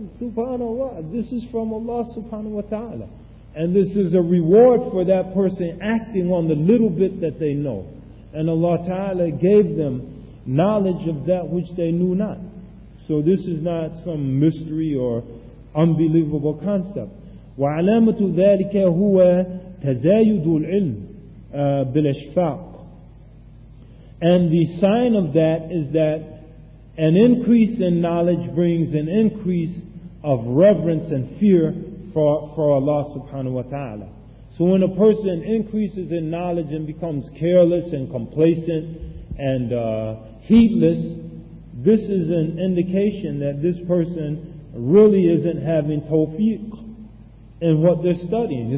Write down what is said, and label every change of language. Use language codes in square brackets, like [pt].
[en] SubhanAllah, this is from Allah subhanahu wa ta'ala. And this is a reward for that person acting on the little bit that they know. And Allah Ta'ala gave them knowledge of that which they knew not. So this is not some mystery or unbelievable concept. [ar] وعلامة ذلك هو تزايد العلم بالإشفاق. [en] And the sign of that is that an increase in knowledge brings an increase of reverence and fear for Allah subhanahu wa ta'ala. So when a person increases in knowledge and becomes careless and complacent and heedless, this is an indication that this person really isn't having tawfiq in what they're studying.